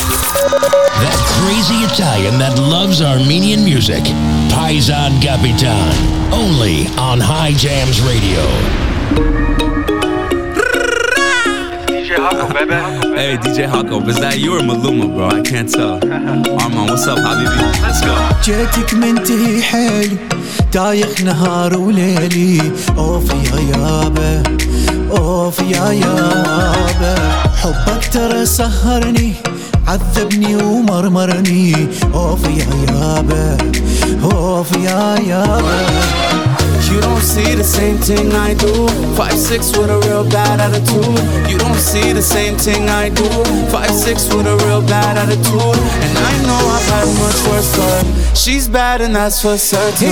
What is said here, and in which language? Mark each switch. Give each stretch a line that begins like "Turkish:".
English: Italian that loves Armenian music. Paisan Capitan, only on High Jams Radio. Hey, DJ Hako, is that you or Maluma, bro? I can't tell. Armand, what's up, Habibi? Let's go.
Arabic: جيتك منتهي حيلي دايخ نهار وليلي اوف يا يابا اوف يا يابا حبك ترى سهرني عذبني ومرمرني اوف يا يابا اوف يا يابا
English: You don't see the same thing I do 5'6 with a real bad attitude You don't see the same thing I do 5'6 with a real bad attitude And I know I've had much worse for her She's bad and that's for certain